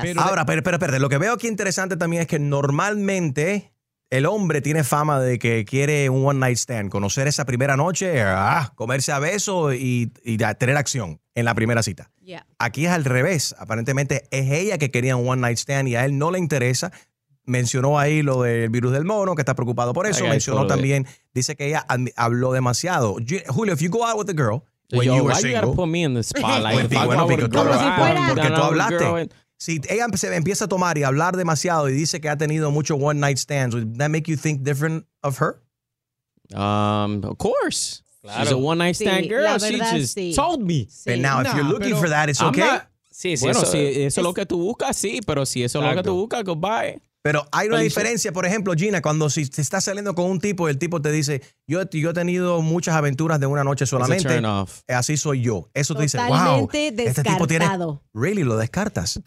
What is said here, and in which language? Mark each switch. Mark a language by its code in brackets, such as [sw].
[es] Pero, ahora, espera, lo que veo aquí interesante también es que normalmente el hombre tiene fama de que quiere un one night stand, conocer esa primera noche, comerse a besos y tener acción en la primera cita. [en] Yeah. [es] Aquí es al revés, aparentemente es ella que quería un one night stand y a él no le interesa. Mencionó ahí lo del virus del mono, que está preocupado por eso. Mencionó también, dice que ella habló demasiado. [en] Julio, if you go out with a girl, when you were single. Why you gotta put me in the spotlight? [es] Bueno, porque tú hablaste. Si ella se empieza a tomar y hablar demasiado y dice que ha tenido mucho one night stands, [en] would that make you think different of her? Of course. [es] Claro. [en] She's a one night stand girl. [es] Sí, verdad, [en] she just told me. [es] Sí. [en] But now, if you're looking for that, it's okay? [es] Si eso es lo que tú buscas, sí. Pero si eso es lo que tú buscas, [en] goodbye. [es] Pero hay una diferencia, por ejemplo, Gina, cuando si te estás saliendo con un tipo y el tipo te dice, yo he tenido muchas aventuras de una noche solamente, así soy yo. Eso te dice, wow, descartado. Este tipo tiene... [en] Really, [es] lo descartas.